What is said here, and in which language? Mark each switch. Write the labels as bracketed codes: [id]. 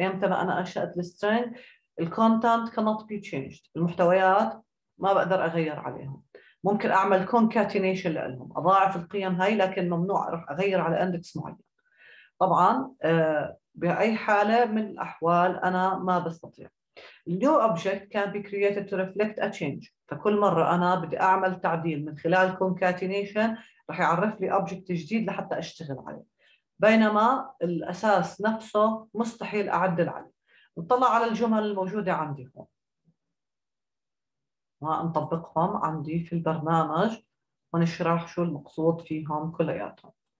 [ar] امتى ما انا انشات السترينج الكونتنت [en] cannot be changed. [ar] المحتويات ما بقدر اغير عليهم. ممكن اعمل concatenation لهم، اضاعف القيم هاي لكن ممنوع اروح اغير على اندكس معين. طبعا باي حاله من الاحوال انا ما بستطيع. [en] New object can be created to reflect a change. [ar] فكل مرة أنا بدي أعمل تعديل من خلال concatenation رح يعرف لي object جديد لحتى أشتغل عليه، بينما الأساس نفسه مستحيل أعدل عليه. نطلع على الجمل الموجودة عندي هون ونطبقهم عندي في البرنامج ونشرح شو المقصود فيهم كلياتهم.